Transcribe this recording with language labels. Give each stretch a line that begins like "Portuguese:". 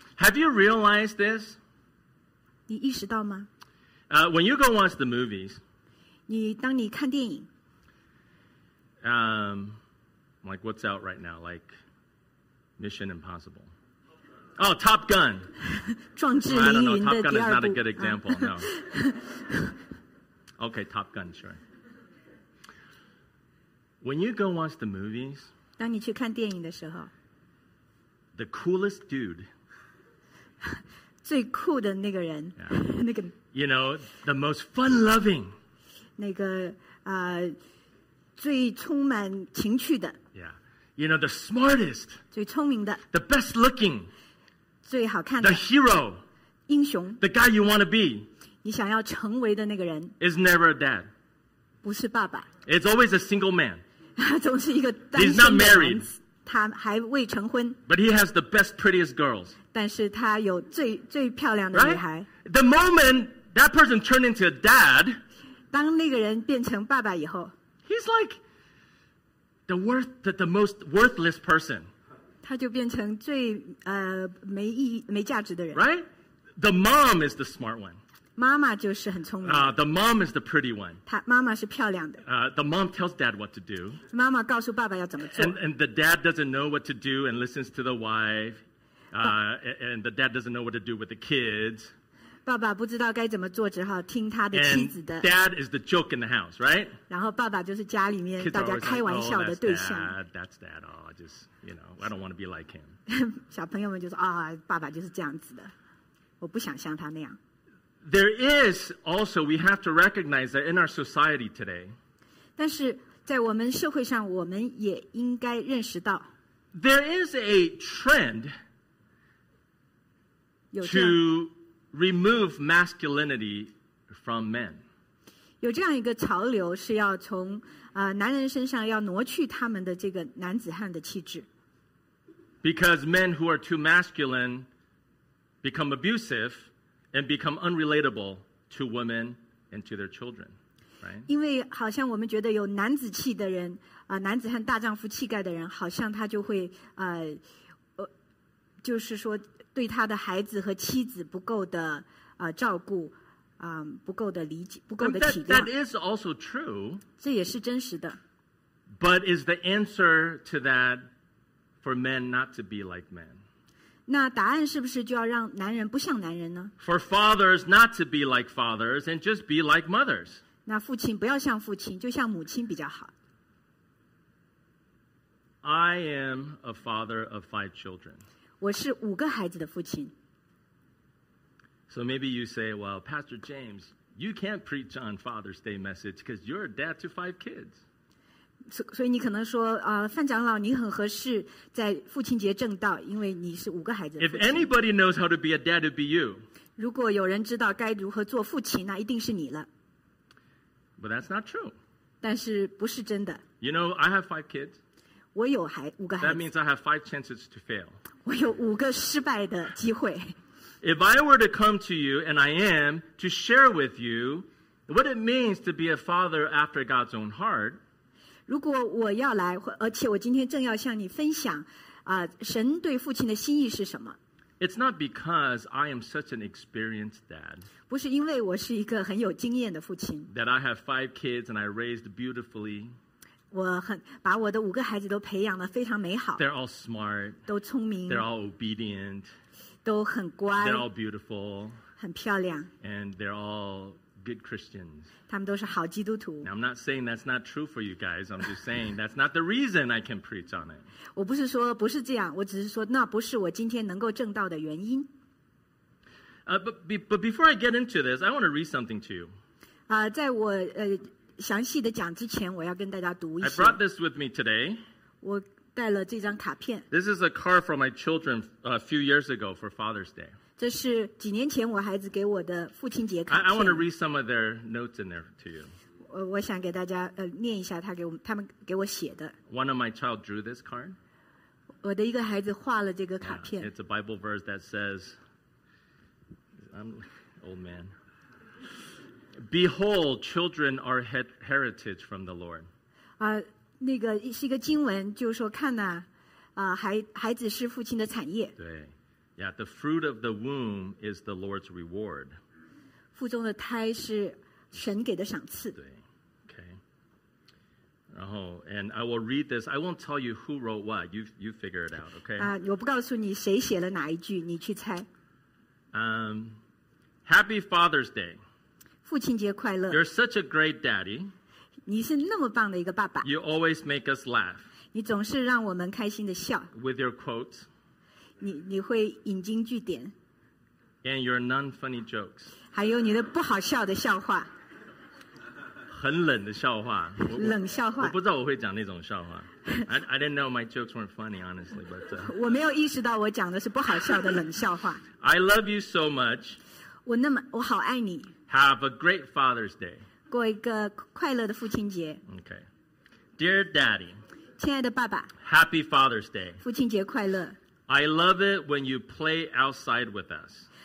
English: Have you realized this?
Chinese: 你意识到吗？
English: When you go watch the movies,
Chinese: 你当你看电影，
English: like what's out right now, like Mission Impossible. Oh, Top Gun.
Chinese: 壮志凌云的第二部。
English: I don't know, Top Gun is not a good example, no. Okay, Top Gun, sure. When you go watch the movies,
Chinese: 当你去看电影的时候，
English: the coolest dude,
Chinese: 最酷的那个人，
English: yeah. You know, the most fun-loving,
Chinese: 那个最充满情趣的，
English: yeah. You know, the smartest,
Chinese: 最聪明的，
English: the best-looking,
Chinese: 最好看的
English: the hero,
Chinese: 英雄
English: the guy you want to be,
Chinese: 你想要成为的那个人
English: is never a dad,
Chinese: 不是爸爸
English: it's always a single man,
Chinese: 总是一个单身的
English: he's not married,
Chinese: 他还未成婚
English: but he has the best prettiest girls,
Chinese: 但是他有最漂亮的女孩
English: right? The moment that person turned into a dad,
Chinese: 当那个人变成爸爸以后
English: he's like the most worthless person,
Chinese: 他就变成最没价值的人
English: right? The mom is the smart one.
Chinese: 妈妈就是很聪明。
English: The mom is the pretty one.
Chinese: 她妈妈是漂亮的。
English: The mom tells dad what to do.
Chinese: 妈妈告诉爸爸要怎么做。
English: And the dad doesn't know what to do and listens to the wife. And the dad doesn't know what to do with the kids.
Chinese: 爸爸不知道该怎么做，只好听他的妻子的。
English: And dad is the joke in the house, right?
Chinese: 然后爸爸就是家里面大家开玩笑的对象。
English: Kids are always like, oh, that's dad, oh. Just, you know, I don't want to be like him.
Chinese: 小朋友们就说啊，爸爸就是这样子的，我不想像他那样。
English: There is also, we have to recognize that in our society today,
Chinese: 但是在我们社会上，我们也应该认识到
English: there is a trend to remove masculinity from men.
Chinese: 有这样一个潮流是要从男人身上要挪去他们的这个男子汉的气质。
English: Because men who are too masculine become abusive and become unrelatable to women and to their children, right?
Chinese: 因为好像我们觉得有男子气的人，男子汉大丈夫气概的人，好像他就会就是说对他的孩子和妻子不够的照顾。不够的理解，不够的体谅。
English: That is also true.
Chinese: 这也是真实的。
English: But is the answer to that for men not to be like men?
Chinese: 那答案是不是就要让男人不像男人呢？
English: For fathers not to be like fathers and just be like mothers.
Chinese: 那父亲不要像父亲，就像母亲比较好。
English: I am a father of 5 children.
Chinese: 我是五个孩子的父亲。
English: So maybe you say, well, Pastor James, you can't preach on Father's Day message because you're a dad to 5 kids.
Chinese: 所以你可能说，范长老，你很合适在父亲节正道，因为你是五个孩子的父亲。
English: If anybody knows how to be a dad, it'd be you.
Chinese: 如果有人知道该如何做父亲，那一定是你了。
English: But that's not true.
Chinese: 但是不是真的。
English: You know, I have 5 kids.
Chinese: 我有五个孩子。
English: That means I have 5 chances to fail.
Chinese: 我有五个失败的机会。
English: If I were to come to you, and I am, to share with you what it means to be a father after God's own heart,
Chinese: 如果我要来，而且我今天正要向你分享，神对父亲的心意是什么？
English: It's not because I am such an experienced dad.
Chinese: 不是因为我是一个很有经验的父亲。
English: That I have 5 kids and I raised beautifully.
Chinese: 我把我的五个孩子都培养得非常美好。
English: They're all smart.
Chinese: 都聪明。
English: They're all obedient.
Chinese: 都很乖
English: they're all beautiful,
Chinese: 很漂亮
English: and they're all good Christians.
Chinese: 他们都是好基督徒。
English: Now, I'm not saying that's not true for you guys. I'm just saying that's not the reason I can preach on it.
Chinese: 我不是说不是这样，我只是说那不是我今天能够证道的原因。
English: But before I get into this, I want to read something to you.
Chinese: 在我详细的讲之前，我要跟大家读一下。
English: I brought this with me today.
Chinese: 我带了这张卡片。
English: This is a card from my children a few years ago for Father's Day.
Chinese: 这是几年前我孩子给我的父亲节卡片。
English: I want to read some of their notes in there to you.
Chinese: 我想给大家念一下他们给我写的。
English: One of my child drew this card.
Chinese: 我的一个孩子画了这个卡片。
English: Yeah, it's a Bible verse that says, "I'm old man." Behold, children are heritage from the Lord.
Chinese: 那个是一个经文，就是说看哪，孩子是父亲的产业。对
English: ，Yeah, the fruit of the womb is the Lord's reward.
Chinese: 腹中的胎是神给的赏赐。对 ，Okay. 然后
English: ，and I will read this. I won't tell you who wrote what. You figure it out, okay?
Chinese: 我不告诉你谁写了哪一句，你去猜。
English: Happy Father's Day.
Chinese: 父亲节快乐。
English: You're such a great daddy.
Chinese: 你是那么棒的一个爸爸。
English: You always make us laugh.
Chinese: 你总是让我们开心的笑。
English: With your quotes.
Chinese: 你会引经据典。
English: And your non-funny jokes.
Chinese: 还有你的不好笑的笑话。很冷的笑话。冷笑话。我不知道我会讲那种笑话。
English: I didn't know my jokes weren't funny, honestly, but.
Chinese: 我没有意识到我讲的是不好笑的冷笑话。
English: I love you so much.
Chinese: 我好爱你。
English: Have a great Father's Day.
Chinese: 过一个快乐的父亲节。
English: Okay. Dear Daddy.
Chinese: 亲爱的爸爸。
English: Happy Father's Day.
Chinese: 父亲节快乐。
English: I love it when you play outside with us.